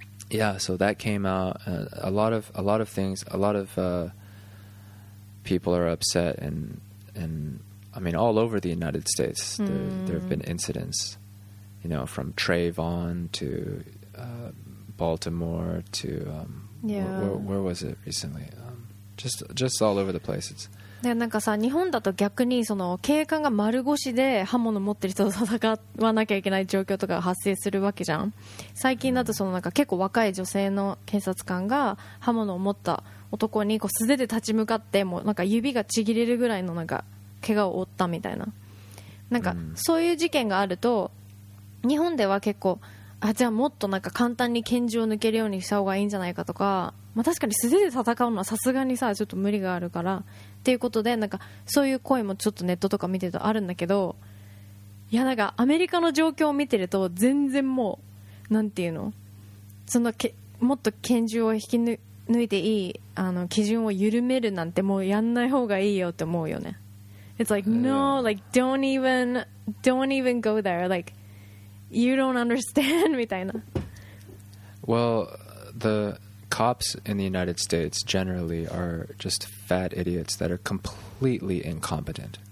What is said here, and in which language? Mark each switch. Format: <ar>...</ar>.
<en>Yeah, so that came out. A lot of people are upset, and I mean, all over the United States, there have been incidents, you know, from Trayvon to Baltimore to where was it recently? Just all over the places.</en> <ja>でなんかさ、日本だと逆にその警官が丸腰で刃物持ってる人と戦わなきゃいけない状況とかが発生するわけじゃん。最近だとそのなんか結構若い女性の警察官が刃物を持った男にこう素手で立ち向かって、もうなんか指がちぎれるぐらいのなんか怪我を負ったみたいな、なんかそういう事件があると日本では結構、あ、じゃあもっとなんか簡単に拳銃を抜けるようにした方がいいんじゃないかとか、まあ、確かに素手で戦うのはさすがにさ、ちょっと無理があるからっていうことで、なんかそういう声もちょっとネットとか見てるとあるんだけど、いや、なんかアメリカの状況を見てると全然もうなんていうの、そのもっと拳銃を引き抜いていい、あの基準を緩めるなんてもうやんない方がいいよって思うよね。</ja> <en>It's like no, like don't even go there, like you don't understand みたいな。 Well, theCops in the United States generally are just fat idiots that are completely incompetent.</en>